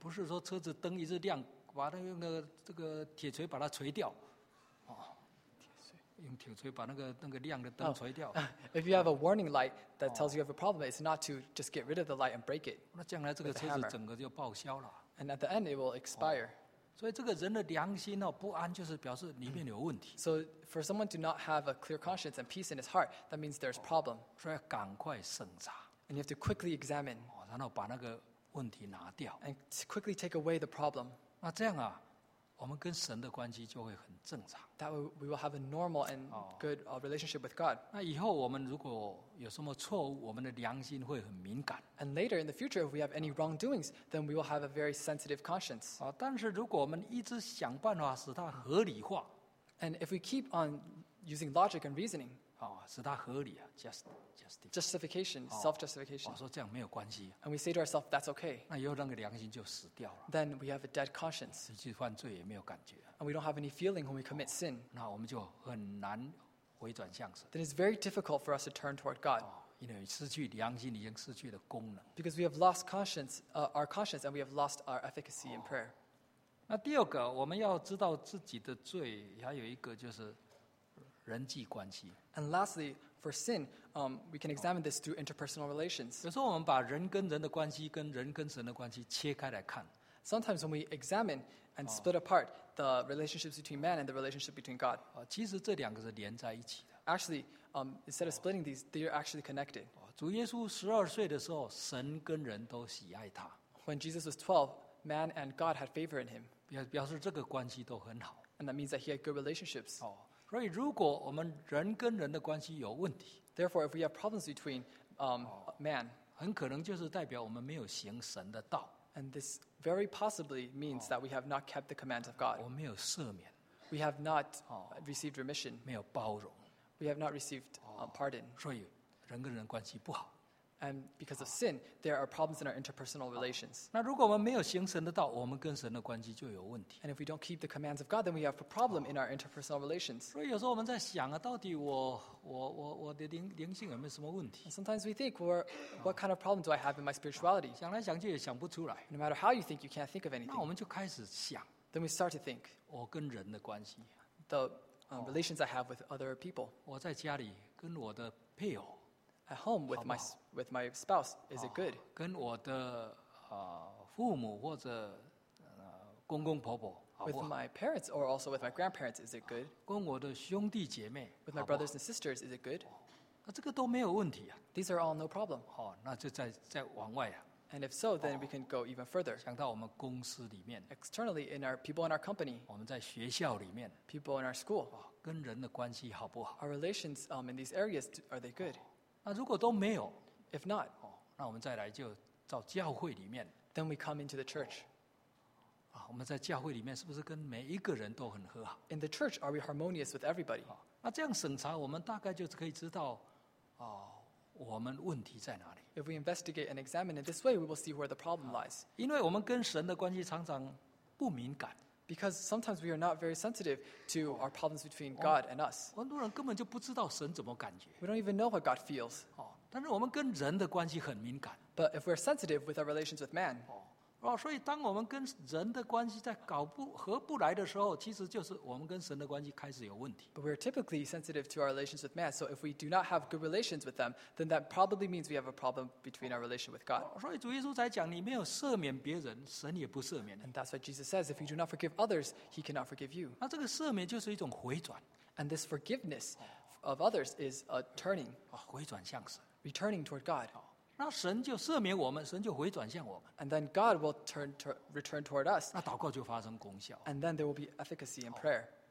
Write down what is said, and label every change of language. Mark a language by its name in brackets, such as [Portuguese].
[Chinese] 不是说车子灯一直亮，把那个这个铁锤把它锤掉。用铁锤把那个亮的灯锤掉。 [English] If you have a warning light that tells you have a problem, it's not to just get rid of the light and break it. [Chinese] 那将来这个车子整个就报销了。 [English] And at the end, it will expire. [Chinese] 所以这个人的良心不安，就是表示里面有问题。 [English] So for someone to not have a clear conscience and peace in his heart, that means there's problem. [Chinese] 所以要赶快审查。 [English] And you have to quickly examine. [Chinese] 然后把那个问题拿掉。 [English] And quickly take away the problem. [Chinese] 那这样啊。我们跟神的关系就会很正常。 [English] That we will have a normal and good relationship with God. [Chinese] 那以后我们如果有什么错误，我们的良心会很敏感。 [English] And later in the future, if we have any wrongdoings, then we will have a very sensitive conscience. [Chinese] 但是如果我们一直想办法使它合理化 [English] ，And if we keep on using logic and reasoning, [Chinese] 使它合理啊 ，justification, [English] justification, self-justification. [Chinese] 说这样没有关系。 [English] And we say to ourselves, that's okay. [Chinese] 那以后那个良心就死掉了。 [English] Then we have a dead conscience. [Chinese] 实际犯罪也没有感觉。 [English] And we don't have any feeling when we commit sin. [Chinese] 那我们就很难回转向神。 [English] Then it's very difficult for us to turn toward God. [Chinese] 因为失去良心已经失去了功能。 [English] Because we have lost conscience, our conscience, and we have lost our efficacy in prayer. [Chinese] 那第二个，我们要知道自己的罪，还有一个就是。人际关系。 [English] And lastly, for sin, we can examine this through interpersonal relations. [Chinese] 有时候我们把人跟人的关系跟人跟神的关系切开来看。 [English] Sometimes when we examine and split apart the relationships between man and the relationship between God. [Chinese] 其实这两个是连在一起的。 [English] Actually, instead of splitting these, they are actually connected. [Chinese] 主耶稣十二岁的时候，神跟人都喜爱他。 [English] When Jesus was 12, man and God had favor in him. [Chinese] 表示这个关系都很好。 [English] And that means that he had good relationships. [Chinese] 所以，如果我们人跟人的关系有问题 [English] ，Therefore, if we have problems between man, [Chinese] 很可能就是代表我们没有行神的道。 [English] And this very possibly means that we have not kept the commands of God. [Chinese] 我没有赦免。 [English] We have not received remission. [Chinese] 没有包容。 [English] We have not received pardon. [Chinese] 所以，人跟人关系不好。 [English] And because of sin, there are problems in our interpersonal relations. [Chinese] 那如果我们没有行神的道，我们跟神的关系就有问题。 [English] And if we don't keep the commands of God, then we have a problem in our interpersonal relations. [Chinese] 所以有时候我们在想啊，到底我的灵性有没有什么问题 [English] ？And sometimes we think, what kind of problem do I have in my spirituality? [Chinese] 想来想去也想不出来。 [English] No matter how you think, you can't think of anything. [Chinese] 那我们就开始想。 [English] Then we start to think. [Chinese] 我跟人的关系。 [English] The relations I have with other people. [Chinese] 我在家里跟我的配偶。 [English] At home with my spouse, is it good? [Chinese] 跟我的父母或者公公婆婆 [English] With my parents or also with my grandparents, is it good? [Chinese] 跟我的兄弟姐妹 [English] With my brothers and sisters, is it good? [Chinese] 那这个都没有问题啊 [English] These are all no problem. [Chinese] 那就再往外啊 [English] And if so, then we can go even further. [Chinese] 想到我们公司里面 [English] Externally, in our people in our company. [Chinese] 我们在学校里面 [English] People in our school. [Chinese] 跟人的关系好不好 [English] Our relations in these areas, are they good? [Chinese] 那如果都没有 [English] ，If not， [Chinese] 那我们再来就到教会里面。 [English] Then we come into the church。 [Chinese] 我们在教会里面是不是跟每一个人都很和好 [English] ？In the church, are we harmonious with everybody？ [Chinese] 那这样审查，我们大概就可以知道，我们问题在哪里 [English] ？If we investigate and examine it this way, we will see where the problem lies。 [Chinese] 因为我们跟神的关系常常不敏感。 [English] Because sometimes we are not very sensitive to our problems between God and us. [Chinese] 很多人根本就不知道神怎么感觉。 [English] We don't even know what God feels. [Chinese] 但是我们跟人的关系很敏感。 [English] But if we're sensitive with our relations with man. [Chinese] 所以当我们跟人的关系在搞不合不来的时候，其实就是我们跟神的关系开始有问题。 [English] But we're typically sensitive to our relations with man. So if we do not have good relations with them, then that probably means we have a problem between our relation with God. [Chinese] 所以主耶稣才讲，你没有赦免别人，神也不赦免。 [English] And that's why Jesus says, if you do not forgive others, he cannot forgive you. [Chinese] 那这个赦免就是一种回转。 [English] And this forgiveness of others is a turning. [Chinese] 回转向神。 [English] Returning toward God. [Chinese] 那神就赦免我们，神就回转向我们。 [English] And then God will return toward us. [Chinese] 那祷告就发生功效。 [English] And then there will be efficacy in prayer.